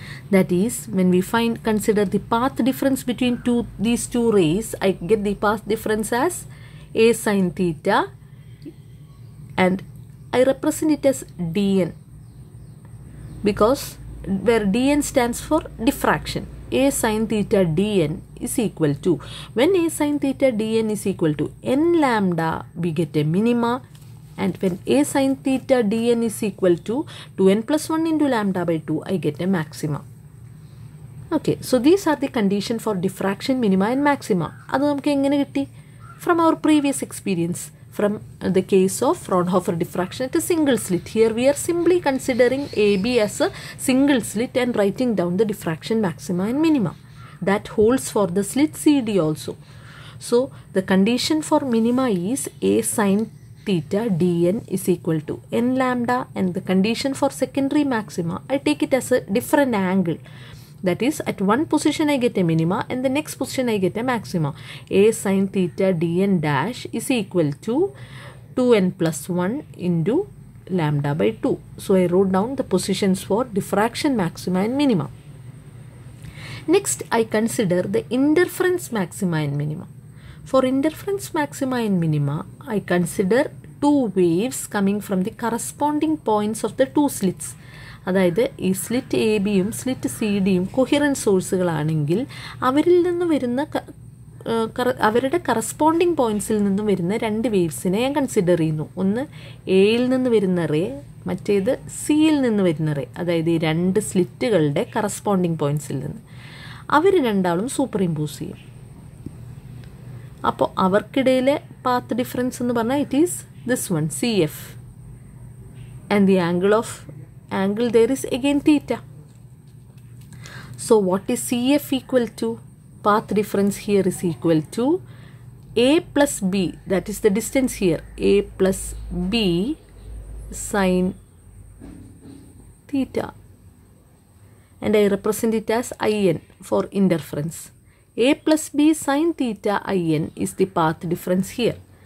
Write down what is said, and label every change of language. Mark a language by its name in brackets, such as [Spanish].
[English] That is, when we consider the path difference between these two rays, I get the path difference as A sin theta and I represent it as dn because where dn stands for diffraction. A sin theta dn is equal to, when A sin theta dn is equal to n lambda, we get a minima. And when A sin theta dn is equal to 2n plus 1 into lambda by 2, I get a maxima. Okay, so these are the condition for diffraction minima and maxima. [Malayalam] അത് നമുക്ക് എങ്ങനെ കിട്ടി? [English] From our previous experience from the case of Fraunhofer diffraction at a single slit. Here we are simply considering A B as a single slit and writing down the diffraction maxima and minima. That holds for the slit C D also. So the condition for minima is a sine theta d n is equal to n lambda and the condition for secondary maxima I take it as a different angle. That is, at one position I get a minima and the next position I get a maxima. A sin theta dn dash is equal to 2n plus 1 into lambda by 2. So I wrote down the positions for diffraction maxima and minima. Next, I consider the interference maxima and minima. For interference maxima and minima, I consider two waves coming from the corresponding points of the two slits. [Malayalam] അതായത് ഈ slit A ബിയും slit C ഡിയും കൊഹിറൻ സോഴ്സുകളാണെങ്കിൽ അവരിൽ നിന്ന് വരുന്ന അവരുടെ corresponding പോയിൻറ്റ്സിൽ നിന്ന് വരുന്ന രണ്ട് വേവ്സിനെ ഞാൻ കൺസിഡർ ചെയ്യുന്നു. ഒന്ന് എയിൽ നിന്ന് വരുന്ന റേ, മറ്റേത് സിയിൽ നിന്ന് വരുന്ന റേ. അതായത് ഈ രണ്ട് സ്ലിറ്റുകളുടെ കറസ്പോണ്ടിങ് പോയിൻറ്റ്സിൽ നിന്ന് അവർ രണ്ടാളും സൂപ്പർ ഇമ്പോസ് ചെയ്യും. അപ്പോൾ അവർക്കിടയിലെ പാത്ത് ഡിഫറൻസ് എന്ന് പറഞ്ഞാൽ [English] It is this one C F and the angle of angle there is again theta. So what is CF equal to? Path difference here is equal to A plus B, that is the distance here, A plus B sin theta. and I represent it as IN for interference. A plus B sine theta IN is the path difference here.